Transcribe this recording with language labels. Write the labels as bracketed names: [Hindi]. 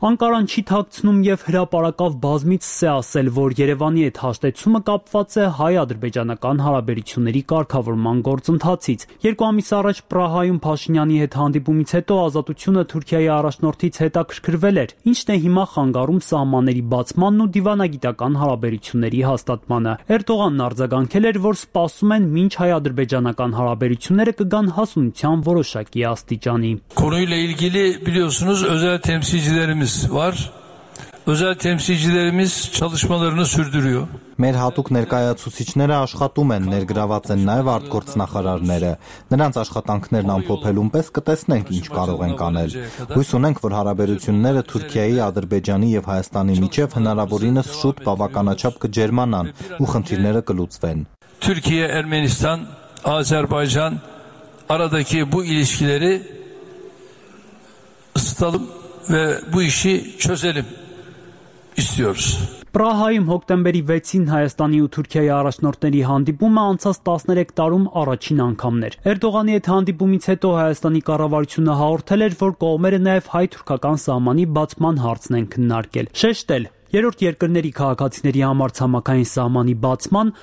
[Armenian] Անկարան չի թաքցնում եւ հրապարակավ բազմից է ասել, որ Երևանի այդ հաշտեցումը կապված է հայ-ադրբեջանական հարաբերությունների կարգավորման գործընթացից։ Երկու ամիս առաջ Պրահայում Փաշինյանի հետ հանդիպումից հետո ազատությունը Թուրքիայի առաջնորդից հետաքրքրվել էր, ինչն է հիմա խանգարում սահմանների բացմանն ու դիվանագիտական հարաբերությունների հաստատմանը։ Էրդողանն արձագանքել էր, որ սպասում են, մինչ հայ-ադրբեջանական հարաբերությունները կգան հասունության որոշակի աստիճանի։ [Turkish] Կորույլ իլգիլի, biliyorsunuz, özel temsilcilerimiz var. Özel temsilcilerimiz çalışmalarını sürdürüyor. [Armenian] Մեր հատուկ ներկայացուցիչները աշխատում են, ներգրաված են նաև արտգործնախարարները։ Նրանց աշխատանքներն ամփոփելուն պես կտեսնենք, ինչ կարող ենք անել։ Հույս ունենք, որ հարաբերությունները Թուրքիայի, Ադրբեջանի եւ Հայաստանի միջև հնարավորինս շուտ բավականաչափ կջերմանան ու խնդիրները կլուծվեն։ [Turkish] Թուրքիա, Արմենիստան, Ադրբեջան aradaki bu ilişkileri ısıtalım ve bu işi çözelim istiyoruz. [Armenian] Պրահայում հոկտեմբերի 6-ին Հայաստանի ու Թուրքիայի առաջնորդների հանդիպումը անցած 13 տարում առաջին անգամն էր։ Էրդողանի հետ հանդիպումից հետո Հայաստանի կառավարությունը հաղորդել էր, որ կողմերը նաև հայ-թուրքական սահմանի բացման հարցն են քննարկել։ Շեշտել երրորդ երկրների քաղաքացիների համար ցամաքային սահմանի բացման